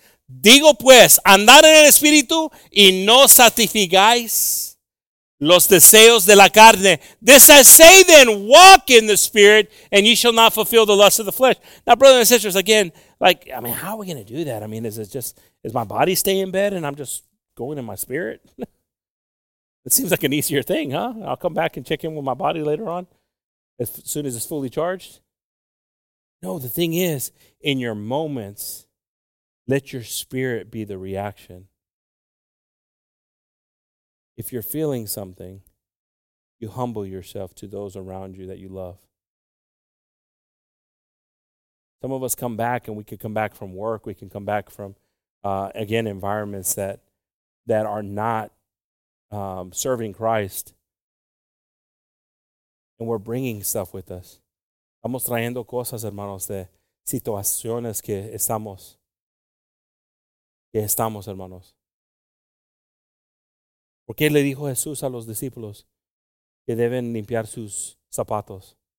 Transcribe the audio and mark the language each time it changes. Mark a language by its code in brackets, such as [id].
[es] Digo pues, andad en el Espíritu y no satisfagáis los deseos de la carne. [en] This I say then, walk in the Spirit, and you shall not fulfill the lust of the flesh. Now, brothers and sisters, again, like, I mean, how are we going to do that? I mean, is my body stay in bed and I'm just going in my spirit? It seems like an easier thing, huh? I'll come back and check in with my body later on, as soon as it's fully charged. No, the thing is, in your moments, let your spirit be the reaction. If you're feeling something, you humble yourself to those around you that you love. Some of us come back, and we could come back from work. We can come back from, again, environments that are not serving Christ. And we're bringing stuff with us. [es] Estamos trayendo cosas, hermanos, de situaciones que estamos, hermanos. ¿Por qué le dijo Jesús a los discípulos que deben limpiar sus zapatos?